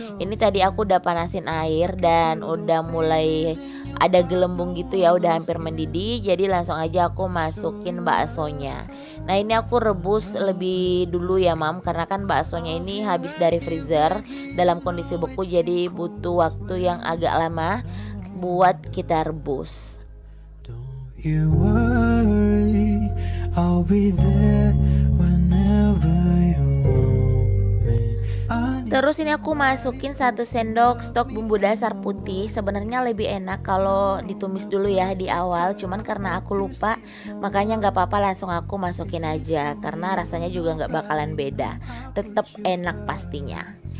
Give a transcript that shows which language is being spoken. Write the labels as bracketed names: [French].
[Indonesian] Ini tadi aku udah panasin air dan udah mulai ada gelembung gitu ya, udah hampir mendidih. Jadi langsung aja aku masukin baksonya. Nah, ini aku rebus lebih dulu ya Mam, karena kan baksonya ini habis dari freezer dalam kondisi beku, jadi butuh waktu yang agak lama buat kita rebus. [English] Don't you worry, I'll be there whenever you want. [Indonesian] Terus ini aku masukin 1 sendok stok bumbu dasar putih. Sebenarnya lebih enak kalau ditumis dulu ya di awal, cuman karena aku lupa, makanya gak apa-apa langsung aku masukin aja, karena rasanya juga gak bakalan beda, tetap enak pastinya.